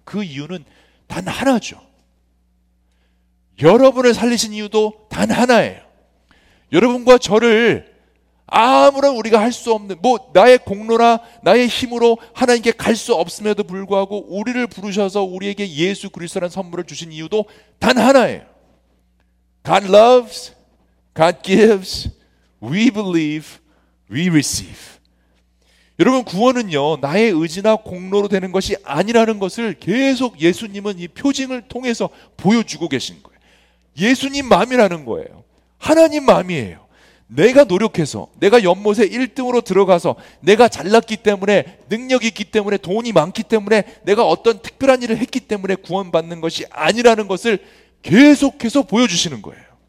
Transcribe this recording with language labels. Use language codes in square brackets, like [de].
[ko] 그 이유는 단 하나죠. 여러분을 살리신 이유도 단 하나예요. 여러분과 저를 아무런 우리가 할수 없는, 뭐, 나의 공로나 나의 힘으로 하나님께 갈수 없음에도 불구하고 우리를 부르셔서 우리에게 예수 그리스도라는 선물을 주신 이유도 단 하나예요. [en] God loves, God gives, we believe, we receive. [ko] 여러분, 구원은요, 나의 의지나 공로로 되는 것이 아니라는 것을 계속 예수님은 이 표징을 통해서 보여주고 계신 거예요. 예수님 마음이라는 거예요. 하나님 마음이에요. 내가 노력해서 내가 연못에 1등으로 들어가서 내가 잘났기 때문에 능력이 있기 때문에 돈이 많기 때문에 내가 어떤 특별한 일을 했기 때문에 구원받는 것이 아니라는 것을 계속해서 보여주시는 거예요.